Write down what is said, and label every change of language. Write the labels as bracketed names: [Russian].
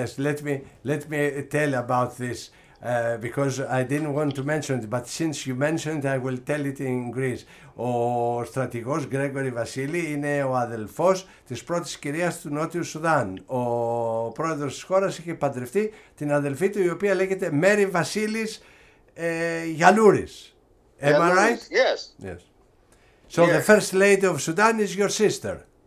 [English] Let me tell about this, because I didn't want to mention it, but since you mentioned it, I will tell it in Greece. [Greek] Ο στρατηγός Γκρέγκορι Βασίλη είναι ο αδελφός της πρώτης κυρίας του Νότιου Σουδάν. Ο πρόεδρος της χώρας είχε παντρευτεί την αδελφή του, η οποία λέγεται Μέρι Βασίλης Γιαλούρης. [English] Am I right? Yes. So yes. The first lady of Sudan is your sister.